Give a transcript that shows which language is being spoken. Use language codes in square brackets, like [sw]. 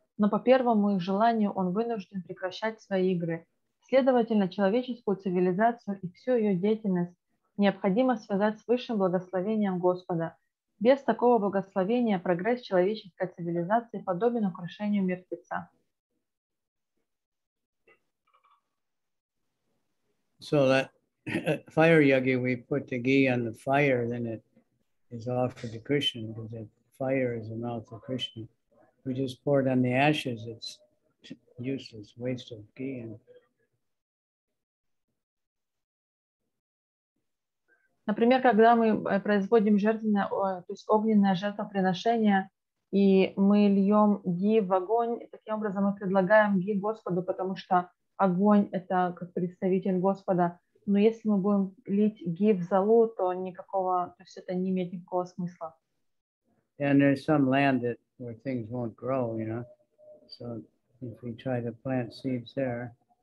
[ru] Но по первому их желанию он вынужден прекращать свои игры. Следовательно, человеческую цивилизацию и всю ее деятельность необходимо связать с высшим благословением Господа. Без такого благословения прогресс человеческой цивилизации подобен украшению мертвеца. [en] So that fire yogi, we put the ghee on the fire, then it is offered to Krishna, because the fire is the mouth of Krishna. We just pour it on the ashes, it's useless, waste of ghee. [ru] Например, когда мы производим жертвенное, то есть огненное жертвоприношение, и мы льем ги в огонь, и таким образом мы предлагаем ги Господу, потому что огонь – это как представитель Господа. Но если мы будем лить ги в золу, то никакого, то есть это не имеет никакого смысла. [en] And there's some land that where things won't grow, you know. So if we try to plant seeds there.